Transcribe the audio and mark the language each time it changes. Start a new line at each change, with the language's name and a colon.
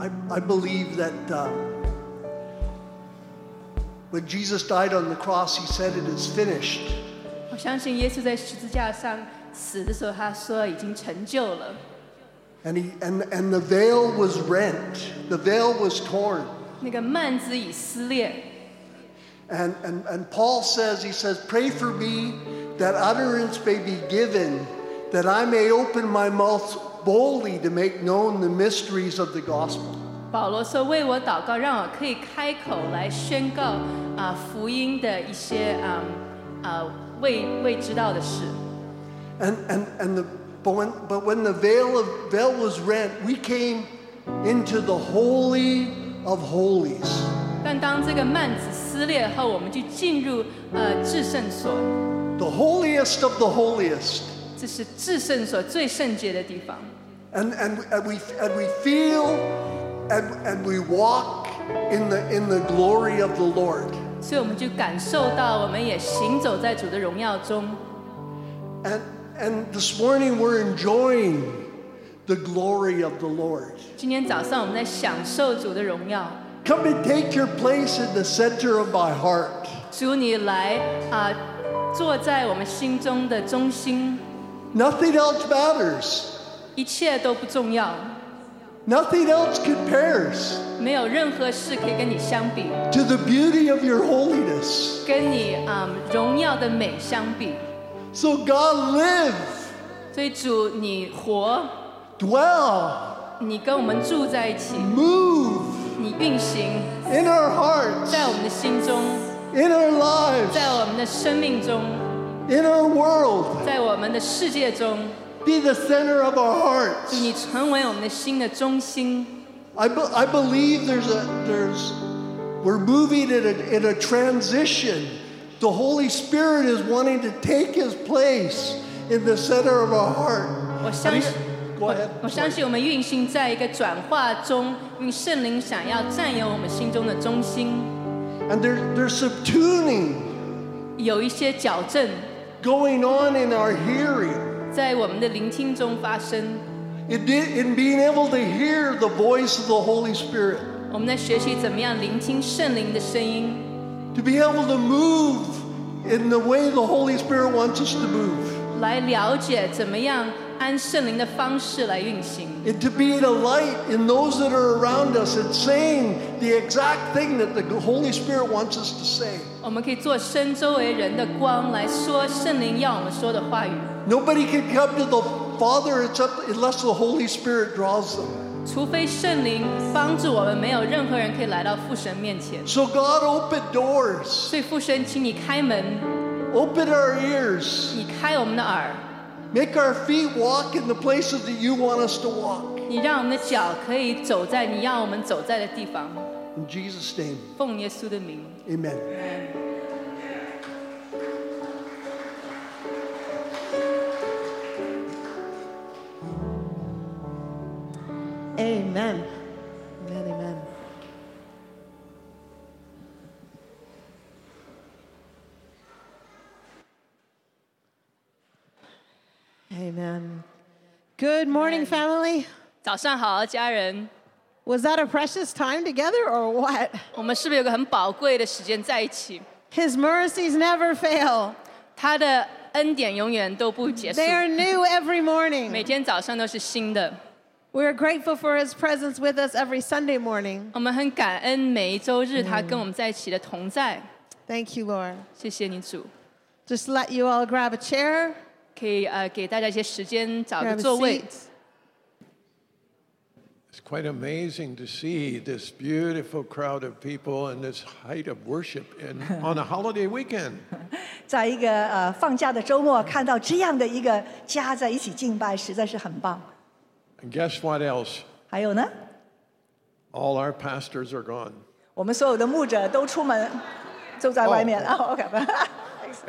English: I believe that when Jesus died on the cross, he said, "It is finished."
Chinese: 我相信耶稣在十字架上死的时候，他说已经成就了。
English: And the veil was rent. The veil was torn.
Chinese: 那个幔子已撕裂。
English: And Paul says, he says, "Pray for me that utterance may be given, that I may open my mouth boldly to make known the mysteries of the gospel."
Chinese: 保罗说：“为我祷告，让我可以开口来宣告啊福音的一些啊啊未知道的事。”
English: And when the veil was rent, we came into the holy of holies.
Chinese: 但当这个幔子撕裂后，我们就进入至圣所。
English: The holiest of the holiest.
Chinese: 这是至圣所最圣洁的地方。
English: And we feel. And we walk in the glory of the Lord.
Chinese: 所以我们就感受到，我们也行走在主的荣耀中。
English: And this morning we're enjoying the glory of the Lord.
Chinese: 今天早上我们在享受主的荣耀。
English: Come and take your place in the center of my heart.
Chinese: 主你来啊，坐在我们心中的中心。
English: Nothing else matters.
Chinese: 一切都不重要。
English: Nothing else compares.
Chinese: 没有任何事可以跟你相比。
English: To the beauty of your holiness.
Chinese: 跟你荣耀的美相比。
English: So God live.
Chinese: 所以主你活。
English: Dwell.
Chinese: 你跟我们住在一起。
English: Move.
Chinese: 你运行。
English: In our hearts.
Chinese: 在我们的心中。
English: In our lives.
Chinese: 在我们的生命中。
English: In our world.
Chinese: 在我们的世界中。
English: Be the center of our hearts.
Chinese: 你成为我们的心的中心。
English: I believe we're moving in a transition. The Holy Spirit is wanting to take His place in the center of our heart.
Chinese: 我相信
English: and, go ahead.
Chinese: 我相信我们运行在一个转化中，因为圣灵想要占有我们心中的中心。
English: And there's some tuning.
Chinese: 有一些矫正。
English: Going on in our hearing.
Chinese: 在我们的聆听中发生。
English: In being able to hear the voice of the Holy Spirit.
Chinese: 我们在学习怎么样聆听圣灵的声音。
English: To be able to move. In the way the Holy Spirit wants us to move.
Chinese: 来了解怎么样按圣灵的方式来运行。
English: And to be the light in those that are around us and saying the exact thing that the Holy Spirit wants us to say.
Chinese: 我们可以做身周围人的光来说圣灵要我们说的话语。
English: Nobody can come to the Father except unless the Holy Spirit draws them.
Chinese: 除非圣灵帮助我们，没有任何人可以来到父神面前。
English: So God, open doors.
Chinese: 所以父神，请你开门。
English: Open our ears.
Chinese: 你开我们的耳。
English: Make our feet walk in the places that you want us to walk.
Chinese: 你让我们的脚可以走在你要我们走在的地方。
English: In Jesus' name.
Chinese: 奉耶稣的名。
English: Amen. Amen. Amen, amen. Amen. Good morning, family.
Chinese: 早上好，家人。
English: Was that a precious time together or what?
Chinese: 我们是不是有个很宝贵的时间在一起？
English: His mercies never fail.
Chinese: 他的恩典永远都不结束。
English: They are new every morning.
Chinese: 每天早上都是新的。
English: We are grateful for His presence with us every Sunday morning.
Chinese: 我们很感恩每一周日他跟我们在一起的同在。
English: Thank you, Lord.
Chinese: 谢谢你主。
English: Just let you all grab a chair.
Chinese: 可以给大家一些时间找个座位。
English: It's quite amazing to see this beautiful crowd of people and this height of worship in on a holiday weekend.
Chinese: 在一个放假的周末，看到这样的一个家在一起敬拜，实在是很棒。
English: And guess what else?
Chinese: 还有呢?
English: All our pastors are gone.
Chinese: 我们所有的牧者都出门，都在外面了。
English: Okay.